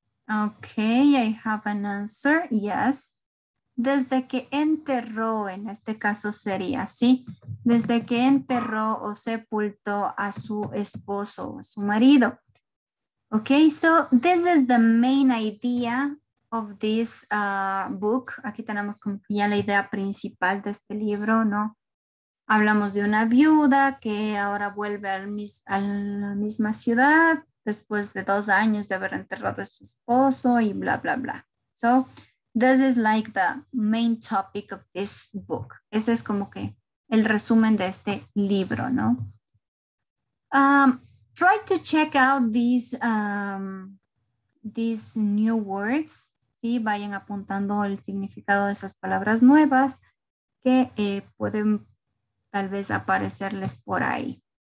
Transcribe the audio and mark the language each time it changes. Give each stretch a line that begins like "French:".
English: Okay, I have an answer. Yes.
Spanish: Desde que enterró, en este caso sería, ¿sí? Desde que enterró o sepultó a su esposo o a su marido.
English: Okay, so this is the main idea of this book.
Spanish: Aquí tenemos como ya la idea principal de este libro, ¿no? Hablamos de una viuda que ahora vuelve a la misma ciudad después de 2 años de haber enterrado a su esposo y bla, bla, bla.
English: So, this is like the main topic of this book.
Spanish: Ese es como que el resumen de este libro, ¿no?
English: Try to check out these new words.
Spanish: Sí, vayan apuntando el significado de esas palabras nuevas que pueden tal vez aparecerles por ahí.